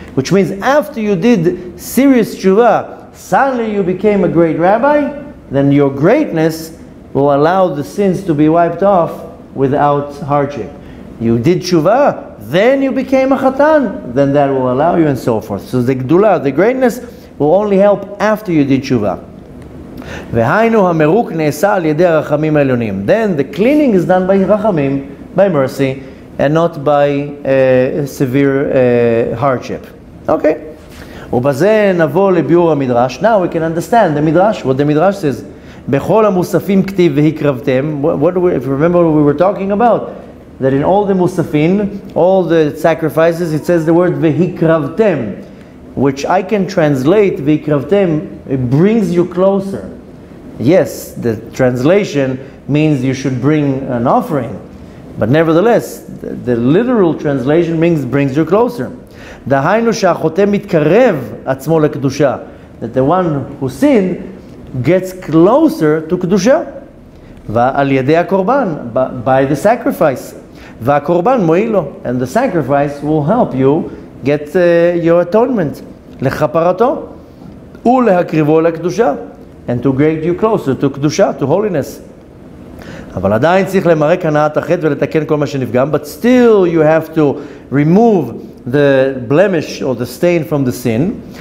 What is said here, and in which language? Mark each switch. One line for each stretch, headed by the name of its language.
English: Which means after you did serious tshuva, suddenly you became a great rabbi, then your greatness will allow the sins to be wiped off without hardship. You did tshuva, then you became a chatan, then that will allow you and so forth. So the gdula, the greatness, will only help after you did tshuva.
Hebrew: והיינו המרוק נעשה על ידי הרחמים העליונים.
English: Then the cleaning is done by רחמים, by mercy, and not by severe hardship. Okay.
Hebrew: ובזה נבוא לביור המדרש.
English: Now we can understand the midrash, what the midrash says.
Hebrew: בכל המוספים כתיב והקרבתם.
English: If you remember what we were talking about, that in all the מוספים, all the sacrifices, it says the word והקרבתם, which I can translate והקרבתם, it brings you closer. Yes, the translation means you should bring an offering. But nevertheless, the literal translation means brings you closer.
Hebrew: דהיינו שהחותם מתקרב עצמו לקדושה.
English: That the one who sinned gets closer to קדושה.
Hebrew: ועל ידי הקורבן,
English: by the sacrifice.
Hebrew: והקורבן מועיל לו.
English: And the sacrifice will help you get your atonement.
Hebrew: לכפרתו ולהקריבו לקדושה.
English: And to get you closer to kedusha, to holiness.
Hebrew: אבל עדיין צריך למרק הנאת החטא ולתקן כל מה שנפגם.
English: But still you have to remove the blemish or the stain from the sin.